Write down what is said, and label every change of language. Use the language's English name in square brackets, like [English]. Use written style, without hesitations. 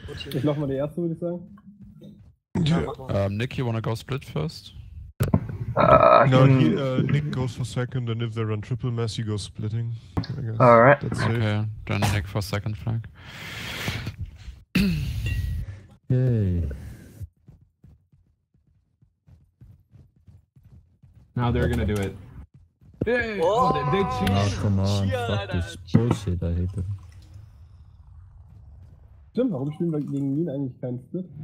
[German] Ich mach mal die erste, würde ich sagen. [English] Nick, you wanna go split first? Nick goes for second, and if they run triple mass, you go splitting. Alright. [German] Okay, dann Nick [English] for second flag. Yay. Now they're gonna do it. Hey, oh, come on, fuck this bullshit, I hate them. [German] Stimmt, warum spielen wir gegen ihn eigentlich keinen Split?